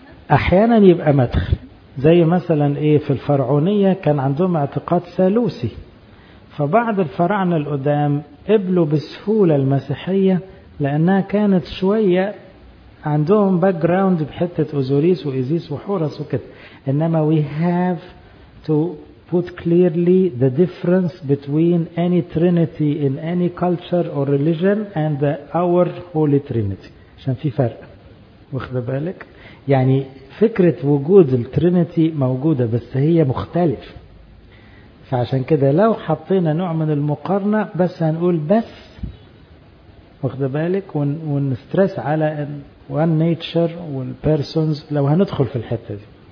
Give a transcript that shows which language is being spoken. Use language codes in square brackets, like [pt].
[ar] أحيانا يبقى مدخل، زي مثلا إيه في الفرعونية كان عندهم اعتقاد ثالوثي، فبعض الفراعنة القدام قبلوا بسهولة المسيحية لأنها كانت شوية عندهم باك جراوند بحتة أوزوريس وإيزيس وحورس وكده. إنما [en] we have to put clearly the difference between any trinity in any culture or religion and our holy trinity، [ar] عشان في فرق. واخد بالك؟ يعني فكرة وجود الترينيتي موجودة بس هي مختلفة. فعشان كده لو حطينا نوع من المقارنة بس هنقول بس، واخد بالك؟ ونسترس على وان نيتشر والبيرسونز لو هندخل في الحتة دي.